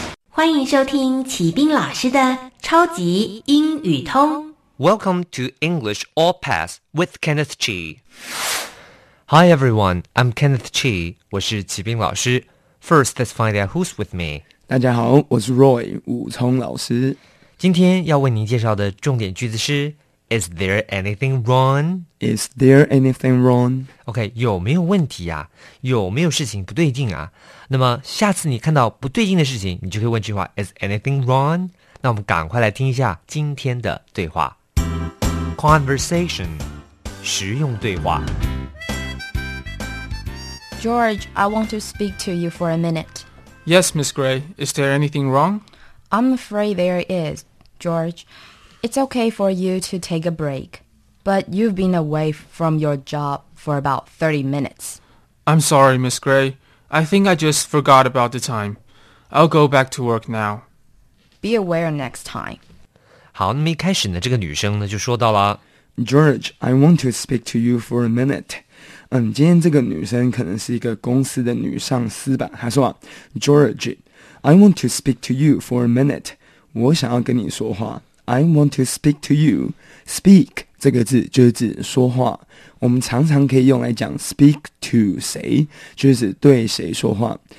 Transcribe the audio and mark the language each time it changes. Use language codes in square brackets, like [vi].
[zh] 欢迎收听启斌老师的超级英语通。 [en] Welcome to English All Pass with Kenneth Chi. Hi everyone, I'm Kenneth Chi. [zh] 我是启斌老师。 [en] First, let's find out who's with me. [zh] 大家好，我是 Roy 武聪老师。今天要为您介绍的重点句子是 [en] Is there anything wrong? Is there anything wrong? [zh] OK, 有没有问题啊？有没有事情不对劲啊？那么下次你看到不对劲的事情，你就可以问这句话 [en] Is anything wrong? [zh] 那我们赶快来听一下今天的对话。 Conversation, 实用对话。 [en] George, I want to speak to you for a minute. Yes, Miss Gray, is there anything wrong? I'm afraid there is, George. It's okay for you to take a break, but you've been away from your job for about 30 minutes. I'm sorry, Miss Gray. I think I just forgot about the time. I'll go back to work now. Be aware next time. [zh] 好，那么一开始呢，这个女生呢就说到了 [en] George, I want to speak to you for a minute. [zh] 嗯，今天这个女生可能是一个公司的女上司吧。她说啊 [en] ，George, I want to speak to you for a minute. [zh] 我想要跟你说话。 [en] I want to speak to you. [zh] Speak 这个字就是指说话。我们常常可以用来讲 speak to 谁，就是对谁说话。